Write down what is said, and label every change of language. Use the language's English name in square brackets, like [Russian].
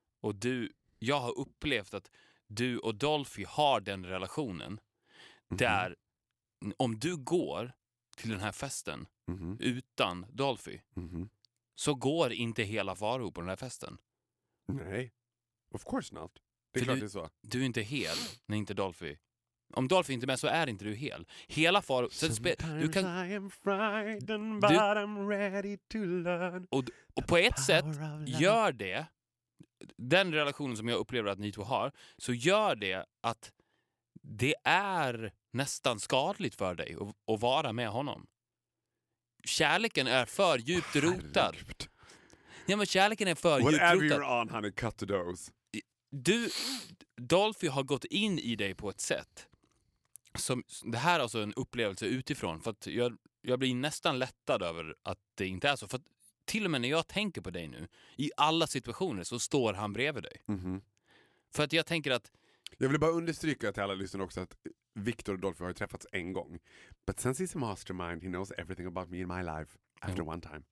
[Swedish] Och jag har upplevt att du och Dolphy har den relationen där om du går till den här festen utan Dolphy, så går inte hela Faro på den här festen. Nej. [English] Of course not. [Swedish] Det är klart det är så. Du är inte hel när inte Dolphy. Om Dolphy inte är med så är inte du hel. Hela Faro... [English] Sometimes [Swedish] du kan, [English] I am frightened but I'm ready to learn. [Swedish] Och på ett sätt gör det den relationen som jag upplever att ni två har, så gör det att det är nästan skadligt för dig att vara med honom. Kärleken är för djupt rotad. Ja, men kärleken är för djupt rotad. [English] Whatever you're on, honey, cut the dose. [Swedish] Dolphy har gått in i dig på ett sätt. Som, det här är alltså en upplevelse utifrån. För att jag blir nästan lättad över att det inte är så. För att till och med när jag tänker på dig nu, i alla situationer så står han bredvid dig. Mm-hmm. För att jag tänker att... Jag vill bara understryka till alla lyssnare också att Victor och Dolphy har ju träffats en gång. [English] But since he's a mastermind, he knows everything about me in my life after one time.